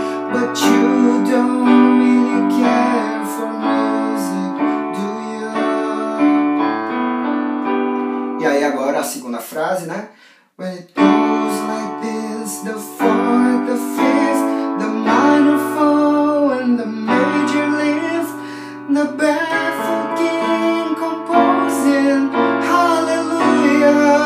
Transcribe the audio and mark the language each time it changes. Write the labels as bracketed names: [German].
[English] But you don't really care for music, do you? [Portuguese] E aí agora a segunda frase, né? [English] When it goes like this, the fourth, the fifth, the minor fall and the major lift, the baffled king composing, hallelujah.